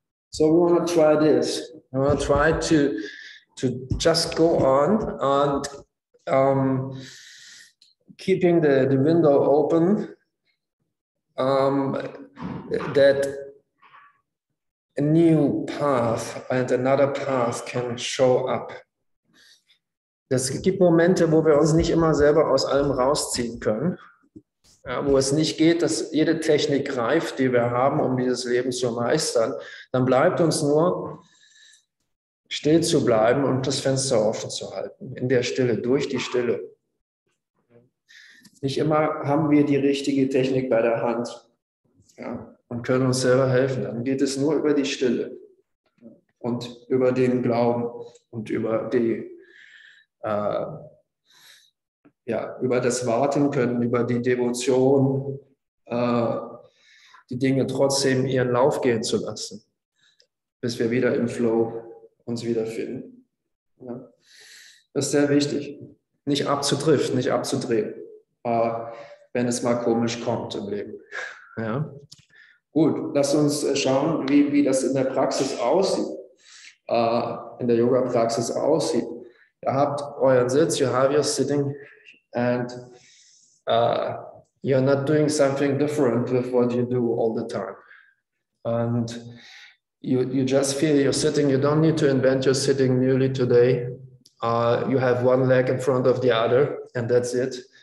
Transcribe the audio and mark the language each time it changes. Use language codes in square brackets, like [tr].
[en] So we want to try this. We want to try to just go on and keeping the window open, that a new path and another path can show up. [de] Es gibt Momente, wo wir uns nicht immer selber aus allem rausziehen können, ja, wo es nicht geht, dass jede Technik greift, die wir haben, um dieses Leben zu meistern. Dann bleibt uns nur, still zu bleiben und das Fenster offen zu halten, in der Stille, durch die Stille. Nicht immer haben wir die richtige Technik bei der Hand, ja, und können uns selber helfen. Dann geht es nur über die Stille und über den Glauben und über die über das Warten können, über die Devotion, die Dinge trotzdem ihren Lauf gehen zu lassen, bis wir wieder im Flow uns wiederfinden. Ja. Das ist sehr wichtig. Nicht abzudriften, nicht abzudrehen, wenn es mal komisch kommt im Leben. Ja. Gut, lass uns schauen, wie das in der Praxis aussieht, in der Yoga-Praxis aussieht. Ihr habt euren Sitz, [en] you have your sitting, and you're not doing something different with what you do all the time. And you just feel you're sitting, you don't need to invent your sitting newly today. You have one leg in front of the other, and that's it.